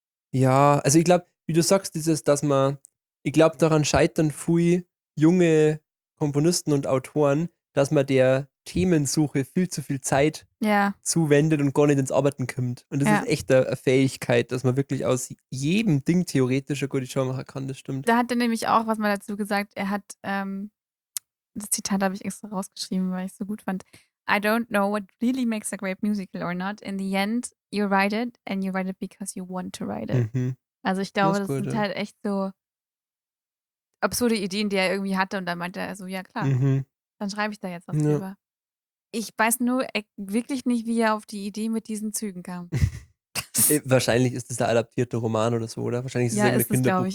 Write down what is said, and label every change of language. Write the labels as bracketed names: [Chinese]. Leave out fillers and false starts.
[German] Ja, also ich glaube, wie du sagst, dieses, dass man... Ich glaube, daran scheitern viele junge Komponisten und Autoren, dass man der Themensuche viel zu viel Zeit zuwendet und gar nicht ins Arbeiten kommt. Und das ist echt eine Fähigkeit, dass man wirklich aus jedem Ding theoretisch eine gute Show machen kann, das stimmt. Da hat er nämlich auch, was man dazu gesagt, er hat, das Zitat habe ich extra rausgeschrieben, weil ich es so gut fand. [English] I don't know what really makes a great musical or not. In the end, you write it and you write it because you want to write it. Mhm. [German] Also ich glaube, das sind halt echt so absurde Ideen, die er irgendwie hatte und dann meinte er so, ja klar. Mhm. Dann schreibe ich da jetzt was drüber. Ich weiß nur wirklich nicht, wie er auf die Idee mit diesen Zügen kam. Wahrscheinlich ist das der adaptierte Roman oder so, oder? Wahrscheinlich ist es irgendein Kinderbuch,